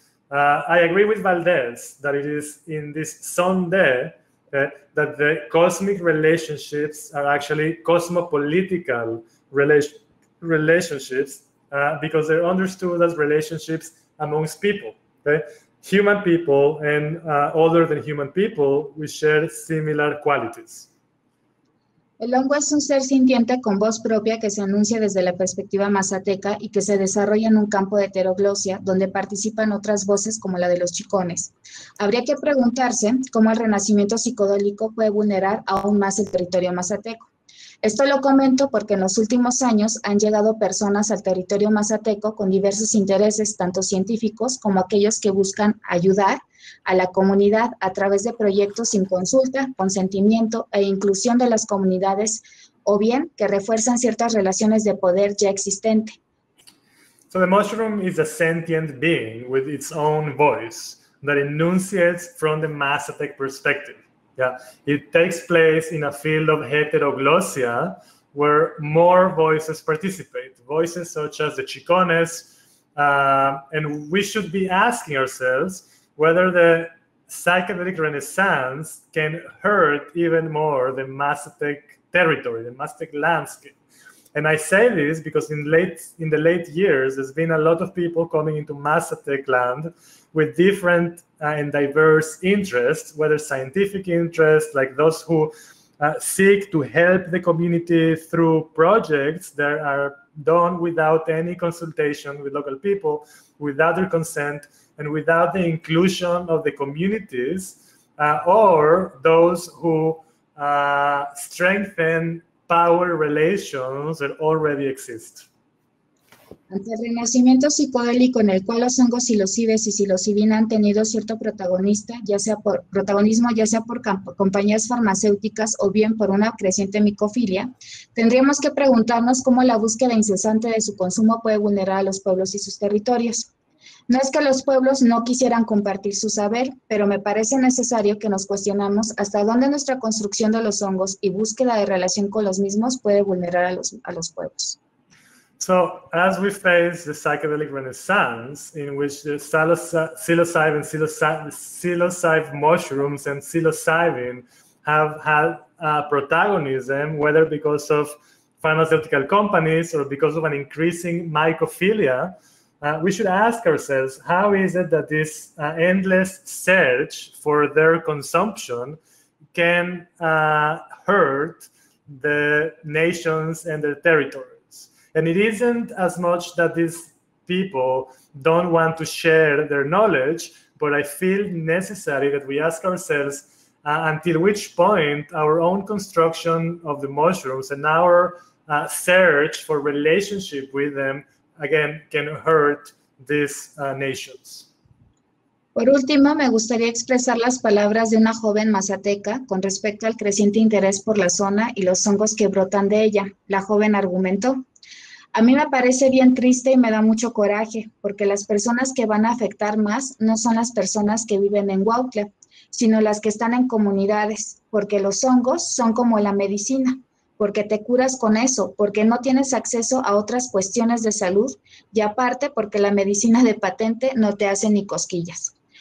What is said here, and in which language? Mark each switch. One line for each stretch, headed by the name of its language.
English: I agree with Valdez that it is in this Sondé that the cosmic relationships are actually cosmopolitical relationships because they're understood as relationships amongst people. Okay? Human people and other than human people, we share similar qualities.
Spanish: El hongo es un ser sintiente con voz propia que se anuncia desde la perspectiva mazateca y que se desarrolla en un campo de heteroglosia donde participan otras voces como la de los chicones. Habría que preguntarse cómo el renacimiento psicodélico puede vulnerar aún más el territorio mazateco. Esto lo comento porque en los últimos años han llegado personas al territorio mazateco con diversos intereses, tanto científicos como aquellos que buscan ayudar a la comunidad a través de proyectos sin consulta, consentimiento e inclusión de las comunidades, o bien que refuerzan ciertas relaciones de poder ya existente.
English: So the mushroom is a sentient being with its own voice that enunciates from the Mazatec perspective. Yeah, it takes place in a field of heteroglossia where more voices participate, voices such as the chicones, and we should be asking ourselves whether the psychedelic renaissance can hurt even more the Mazatec territory, the Mazatec landscape. And I say this because in the late years, there's been a lot of people coming into Mazatec land with different and diverse interests, whether scientific interests, like those who seek to help the community through projects that are done without any consultation with local people, without their consent, and without the inclusion of the communities, or those who strengthen power relations that already exist.
Spanish: Ante el renacimiento psicodélico en el cual los hongos psilocibes y psilocibina han tenido cierto protagonismo, ya sea por compañías farmacéuticas o bien por una creciente micofilia, tendríamos que preguntarnos cómo la búsqueda incesante de su consumo puede vulnerar a los pueblos y sus territorios. No es que los pueblos no quisieran compartir su saber, pero me parece necesario que nos cuestionemos hasta dónde nuestra construcción de los hongos y búsqueda de relación con los mismos puede vulnerar a los pueblos.
English: So, as we face the psychedelic renaissance, in which the psilocybin mushrooms and psilocybin have had protagonism, whether because of pharmaceutical companies or because of an increasing mycophilia, we should ask ourselves, how is it that this endless search for their consumption can hurt the nations and their territory? And it isn't as much that these people don't want to share their knowledge, but I feel necessary that we ask ourselves until which point our own construction of the mushrooms and our search for relationship with them, again, can hurt these nations.
Spanish: Por último, me gustaría expresar las palabras de una joven mazateca con respecto al creciente interés por la zona y los hongos que brotan de ella. La joven argumentó: a mí me parece bien triste y me da mucho coraje, porque las personas que van a afectar más no son las personas que viven en Huautla, sino las que están en comunidades, porque los hongos son como la medicina, porque te curas con eso, porque no tienes acceso a otras cuestiones de salud, y aparte porque la medicina de patente no te hace ni cosquillas.